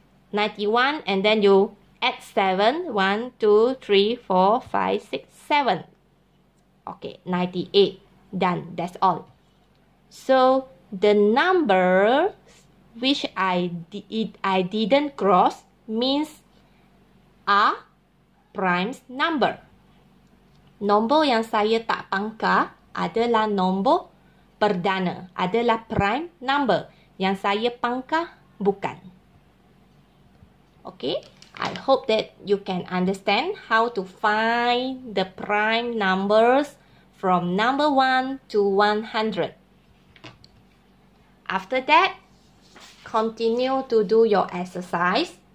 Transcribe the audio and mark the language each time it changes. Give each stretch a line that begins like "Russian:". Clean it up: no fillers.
English: 91, and then you add 7. 1, 2, 3, 4, 5, 6, 7. Okay, 98. Done. That's all. So the number which I didn't cross means a prime number.
Malay: Nombor yang saya tak pangkah adalah nombor perdana, adalah prime number. Yang saya pangkah bukan.
English: Okay, I hope that you can understand how to find the prime numbers from number 1 to 100. After that, continue to do your exercise.